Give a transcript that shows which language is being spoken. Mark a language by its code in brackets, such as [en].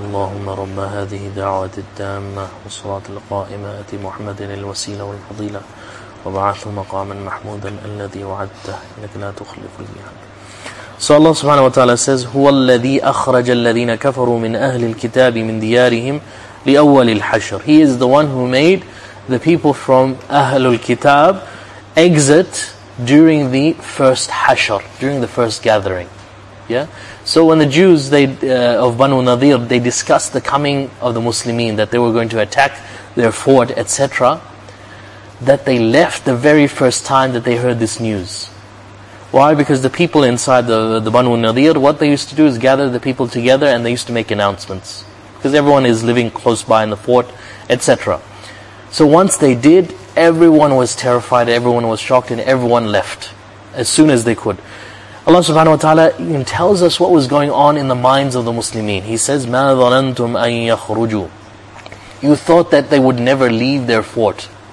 [ar] اللهم رب هذه دعوة التامة والصلاة القائمة آتي محمد الوسيلة والفضيلة وبعث مقاما محمودا الذي وعدته إنك لا تخلف الميعاد. [en] So Allah subhanahu wa ta'ala says, [ar] هُوَ الَّذِي أَخْرَجَ الَّذِينَ كَفَرُوا مِنْ أَهْلِ الْكِتَابِ مِنْ دِيَارِهِمْ لِأَوَّلِ الْحَشْرِ. [en] He is the one who made the people from Ahlul Kitab exit during the first hashr, during the first gathering. Yeah. So when the Jews of Banu Nadir, they discussed the coming of the Muslimin, that they were going to attack their fort, etc., that they left the very first time that they heard this news. Why? Because the people inside the Banu Nadir, what they used to do is gather the people together and they used to make announcements. Because everyone is living close by in the fort, etc. So once they did, everyone was terrified, everyone was shocked, and everyone left as soon as they could. Allah subhanahu wa ta'ala tells us what was going on in the minds of the Muslimin. He says, [ar] مَا ظَنَنْتُمْ أَن يَخْرُجُوا. [en] You thought that they would never leave their fort.